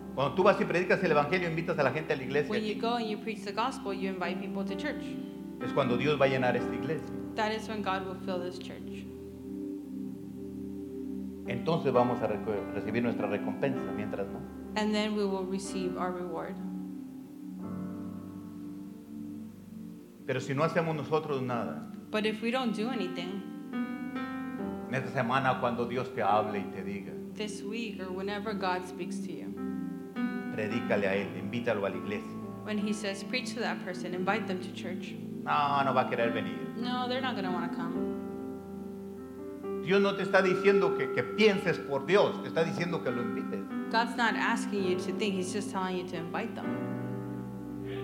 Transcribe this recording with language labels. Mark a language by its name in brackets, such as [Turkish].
[Spanish] Cuando tú vas y predicas el evangelio, invitas a la gente a la iglesia. [English] When you go and you preach the gospel, you invite people to church. [Spanish] Es cuando Dios va a llenar esta iglesia. [English] That is when God will fill this church. [Spanish] Entonces vamos a recibir nuestra recompensa, mientras no. [English] And then we will receive our reward. [Spanish] Pero si no hacemos nosotros nada. [English] But if we don't do anything. [Spanish] En esta semana cuando Dios te hable y te diga. [English] This week or whenever God speaks to you. [Spanish] Predícale a él, invítalo a la iglesia. [English] When he says, preach to that person, invite them to church. [Spanish] No, no va a querer venir. [English] No, they're not going to want to come. [Spanish] Dios no te está diciendo que pienses por Dios, te está diciendo que lo invites. [English] God's not asking you to think, he's just telling you to invite them.